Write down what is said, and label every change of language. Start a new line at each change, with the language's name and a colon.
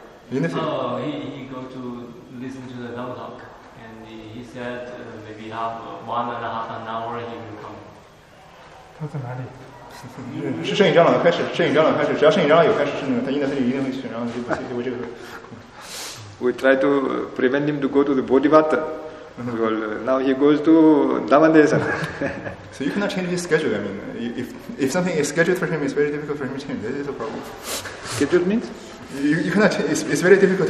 English: He go to listen to the Dhamma talk, and he said maybe have 1.5 hours he will come.
Chinese: 他在哪里？是摄影长老开始，只要摄影长老有开始，他应该是一定会去，然后就不去，就为这个。
English: We try to prevent him to go to the Bodhivata. Well, now he goes to Dhammadesa. So you cannot change his schedule. I mean, if something is scheduled for him, it's very difficult for him to change. That is a problem. Schedule means? You cannot. It's very difficult.